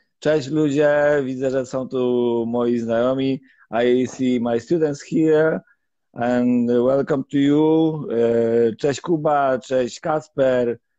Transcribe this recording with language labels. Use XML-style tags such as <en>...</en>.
<pl>Cześć ludzie, widzę, że są tu moi znajomi.</pl> <en>I see my students here and welcome to you.</en> <pl>Cześć Kuba, cześć Kasper.</pl>